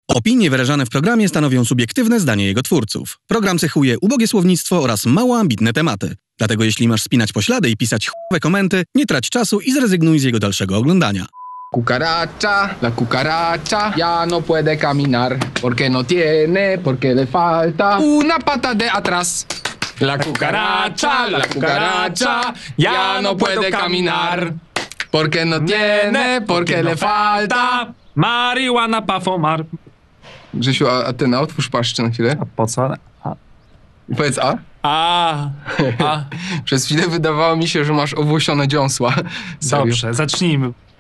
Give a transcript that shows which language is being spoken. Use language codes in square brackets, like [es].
[pl] Opinie wyrażane w programie stanowią subiektywne zdanie jego twórców. Program cechuje ubogie słownictwo oraz mało ambitne tematy. Dlatego jeśli masz spinać poślady i pisać ch**owe komenty, nie trać czasu i zrezygnuj z jego dalszego oglądania. [es] Cucaracha, la cucaracha, ya no puede caminar, porque no tiene, porque le falta una pata de atrás. La cucaracha, ya no puede caminar, porque no tiene, porque le falta marihuana pa fumar. [pl] Grzesiu, a ty na otwórz paszczę na chwilę. A po co? A. Powiedz a. A. A. Przez chwilę wydawało mi się, że masz owłosione dziąsła. Dobrze, zacznijmy.